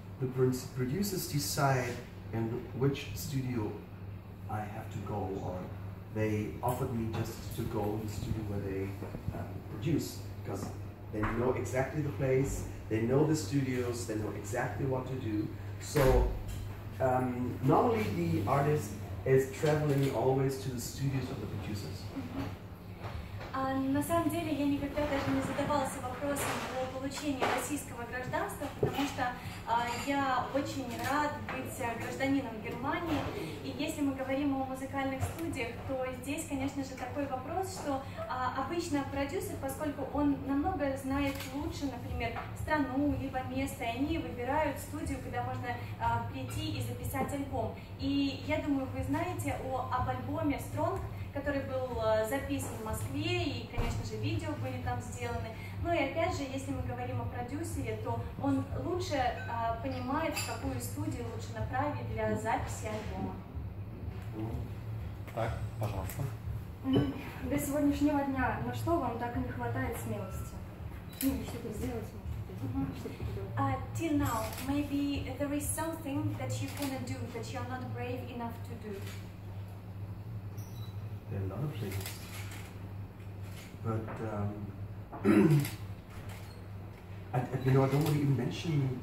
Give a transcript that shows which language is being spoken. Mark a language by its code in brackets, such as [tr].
[en] The producers decide in which studio I have to go, or they offered me just to go to the studio where they produce, because they know exactly the place, they know the studios, they know exactly what to do. So normally the artist is traveling always to the studios of the producers. [ru] На самом деле я никогда даже не задавался вопросом о получении российского гражданства, потому что я очень рад быть гражданином Германии. И если мы говорим о музыкальных студиях, то здесь, конечно же, такой вопрос, что обычно продюсер, поскольку он намного знает лучше, например, страну, либо место, и они выбирают студию, куда можно прийти и записать альбом. И я думаю, вы знаете об альбоме Strong, который был записан в Москве, и, конечно же, видео были там сделаны. Ну и опять же, если мы говорим о продюсере, то он лучше понимает, в какую студию лучше направить для записи альбома. Так, пожалуйста. До сегодняшнего дня на что вам так и не хватает смелости? Ну, что-то сделать, может. [en] Till now, maybe there is something that you cannot do, that you are not brave enough to do. There are a lot of things, but I don't want to even mention.